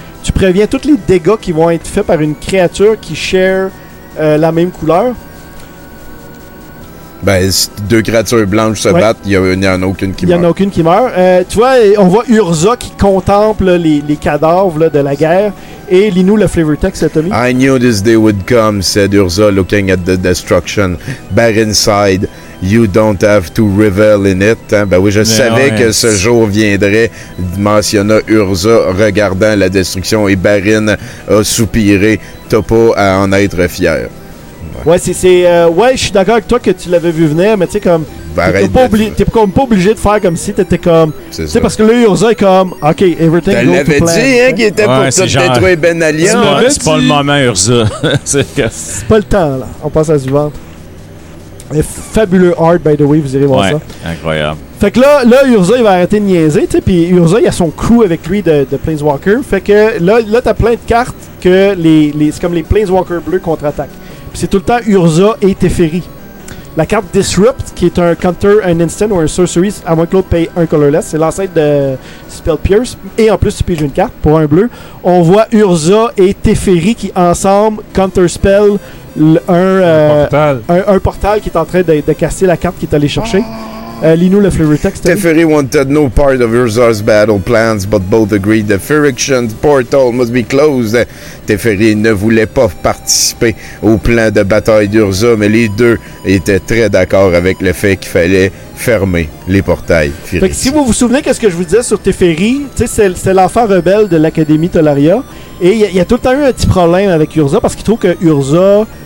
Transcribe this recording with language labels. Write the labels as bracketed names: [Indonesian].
[French] Tu préviens tous les dégâts qui vont être faits par une créature qui share la même couleur. Ben, si deux créatures blanches se battent, il n'y en a aucune qui meurt. Il n'y en a aucune qui meurt. Tu vois, on voit Urza qui contemple les cadavres là, de la guerre. Et lis-nous le flavor text, Tommy. [English] I knew this day would come, said Urza, looking at the destruction. Bear inside, you don't have to revel in it. [French] Hein? Ben oui, je savais que ce jour viendrait, mentionna Urza, regardant la destruction. Et Baryn a soupiré, t'as pas à en être fier. Ouais, ouais, je suis d'accord avec toi que tu l'avais vu venir, mais tu sais, comme. T'es comme pas obligé de faire comme si t'étais comme. Tu sais, parce que là, Urza est comme. [English] Ok, everything goes to plan. [French] Tu l'avais dit, hein, qu'il était pour tout détruire Benalia. C'est pas le moment, Urza. C'est pas le temps, là. On passe à la suivante. Fabuleux art, [English] by the way, [French] vous irez voir ça. Incroyable. Fait que là, Urza, il va arrêter de niaiser, tu sais, puis Urza, il a son crew avec lui de Planeswalker. Fait que là, t'as plein de cartes que c'est comme les Planeswalker bleus contre-attaquent. Pis c'est tout le temps Urza et Teferi. La carte Disrupt, qui est un counter, un instant ou un sorcery, à moins que l'autre paye un colorless. C'est l'ancêtre de Spell Pierce. Et en plus, tu piges une carte pour un bleu. On voit Urza et Teferi qui, ensemble, counterspell un portal qui est en train de casser la carte qui est allé chercher. Lis-nous le flavor text. [English] Teferi wanted no part of Urza's battle plans, but both agreed the Phyrexian portal must be closed. [French] Teferi ne voulait pas participer au plan de bataille d'Urza, mais les deux étaient très d'accord avec le fait qu'il fallait fermer les portails. Fait que si vous vous souvenez de ce que je vous disais sur Teferi, c'est l'enfant rebelle de l'Académie Tolaria, et il y a tout le temps eu un petit problème avec Urza, parce qu'il trouve que Urza...